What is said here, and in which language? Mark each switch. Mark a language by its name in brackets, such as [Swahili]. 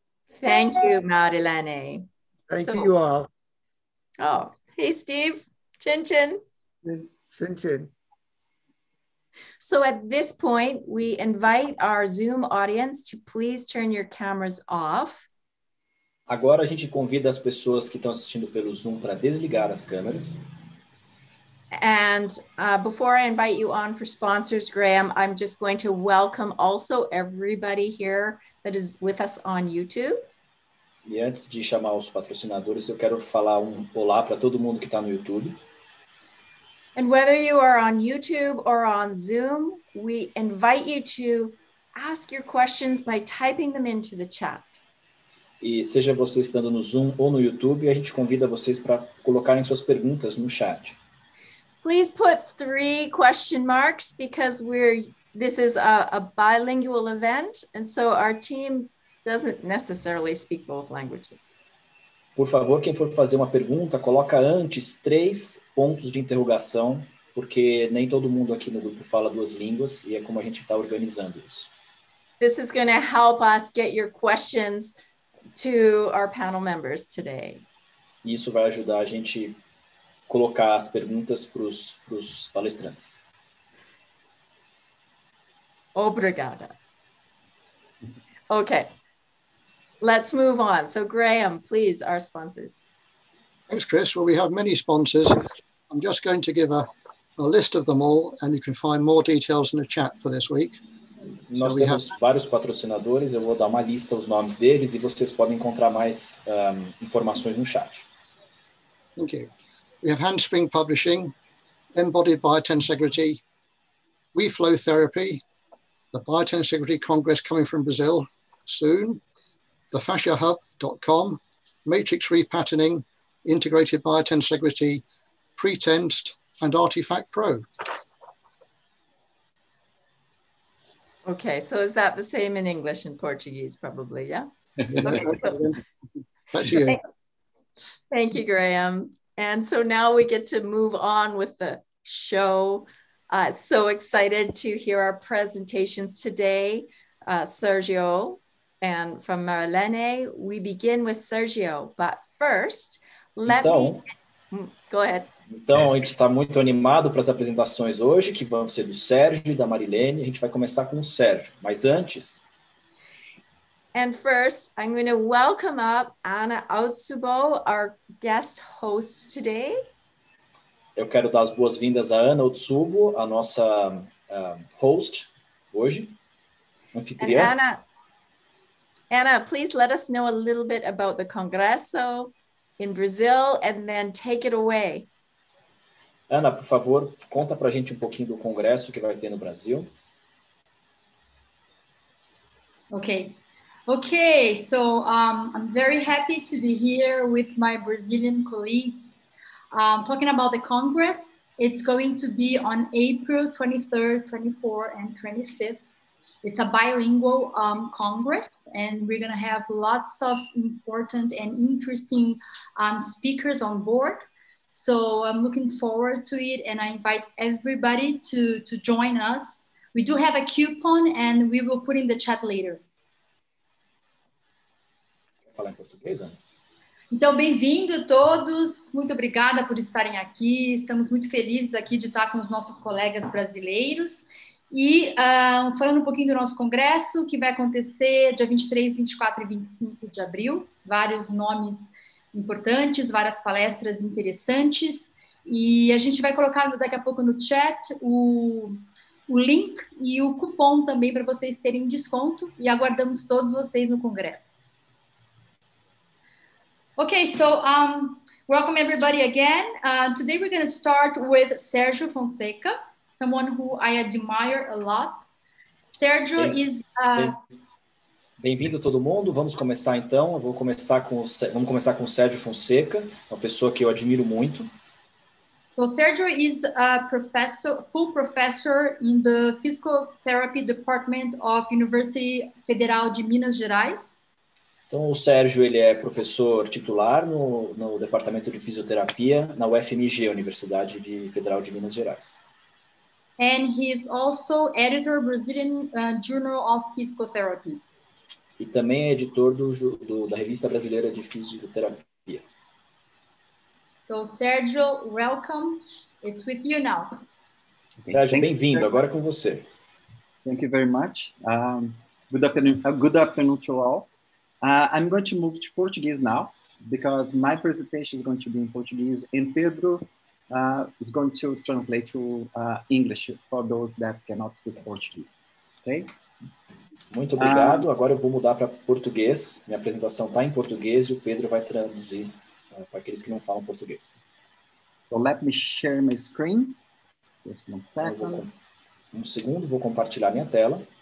[English] Thank you, Marilene. Thank you all. Oh, hey, Steve. Chin-chin. Chin-chin. So at this point, we invite our Zoom audience to please turn your cameras off. [Portuguese] Agora a gente convida as pessoas que estão assistindo pelo Zoom para desligar as câmeras. [English] And before I invite you on for sponsors, Graham, I'm just going to welcome also everybody here that is with us on YouTube. [Portuguese] E antes de chamar os patrocinadores, eu quero falar um olá para todo mundo que está no YouTube. [English] And whether you are on YouTube or on Zoom, we invite you to ask your questions by typing them into the chat. [Portuguese] E seja você estando no Zoom ou no YouTube, a gente convida vocês para colocarem suas perguntas no chat. [English] Please put 3 question marks because this is a bilingual event, and so our team doesn't necessarily speak both languages. [Portuguese] Por favor, quem for fazer uma pergunta, coloca antes 3 pontos de interrogação, porque nem todo mundo aqui no grupo fala 2 línguas, e é como a gente está organizando isso. [English] This is going to help us get your questions to our panel members today. [Portuguese] Isso vai ajudar a gente colocar as perguntas para os palestrantes. Obrigada. [English] Okay, let's move on. So Graham, please, our sponsors. Thanks, Chris. Well, we have many sponsors. I'm just going to give a list of them all, and you can find more details in the chat for this week. [Portuguese] Nós temos vários patrocinadores. Eu vou dar uma lista os nomes deles, e vocês podem encontrar mais informações no chat. [English] Thank you. We have Handspring Publishing, Embodied Biotensegrity, WeFlow Therapy, the Biotensegrity Congress coming from Brazil soon, thefasciahub.com, Matrix Repatterning, Integrated Biotensegrity, Pretensed, and Artifact Pro. Okay, so is that the same in English and Portuguese, probably, yeah? Back to you. Thank you, Graham. And so now we get to move on with the show. So excited to hear our presentations today, Sergio and from Marilene. We begin with Sergio, but first, go ahead. [Portuguese] Então, a gente está muito animado para as apresentações hoje, que vão ser do Sergio e da Marilene. A gente vai começar com o Sergio, mas antes. [English] And first, I'm going to welcome up Anna Otsubo, our guest host today. [Portuguese] Eu quero dar as boas-vindas a Anna Otsubo, a nossa host hoje, anfitriã. [English] Anna, please let us know a little bit about the Congresso in Brazil and then take it away. [Portuguese] Anna, por favor, conta para a gente um pouquinho do Congresso que vai ter no Brasil. [English] Okay. Okay, so I'm very happy to be here with my Brazilian colleagues talking about the Congress. It's going to be on April 23rd, 24th, and 25th. It's a bilingual Congress, and we're going to have lots of important and interesting speakers on board. So I'm looking forward to it, and I invite everybody to join us. We do have a coupon, and we will put in the chat later. [Portuguese] Então, bem-vindo todos, muito obrigada por estarem aqui, estamos muito felizes aqui de estar com os nossos colegas brasileiros e falando um pouquinho do nosso congresso, que vai acontecer dia 23, 24 e 25 de abril, vários nomes importantes, várias palestras interessantes e a gente vai colocar daqui a pouco no chat o link e o cupom também para vocês terem desconto e aguardamos todos vocês no congresso. [English] Okay, so welcome everybody again. Today we're going to start with Sergio Fonseca, someone who I admire a lot. Sergio is... [Portuguese] Bem-vindo todo mundo, vamos começar então. Eu vou começar com o Sérgio Fonseca, uma pessoa que eu admiro muito. [English] So Sergio is a professor, full professor in the physical therapy department of University Federal de Minas Gerais. [Portuguese] Então o Sérgio, ele é professor titular no departamento de fisioterapia na UFMG, Universidade de Federal de Minas Gerais. [English] And he is also editor of Brazilian Journal of Physical Therapy. [Portuguese] E também é editor da Revista Brasileira de Fisioterapia. [English] So, Sergio, welcome. It's with you now. [Portuguese] Sérgio, bem-vindo. Agora é com você. [English] Thank you very much. Good afternoon to all. I'm going to move to Portuguese now, because my presentation is going to be in Portuguese, and Pedro is going to translate to English for those that cannot speak Portuguese. Okay? [Portuguese] Muito obrigado. Agora eu vou mudar para português. Minha apresentação está em português e o Pedro vai traduzir para aqueles que não falam português. [English] So let me share my screen. Just one second. [Portuguese] Um segundo, vou compartilhar minha tela.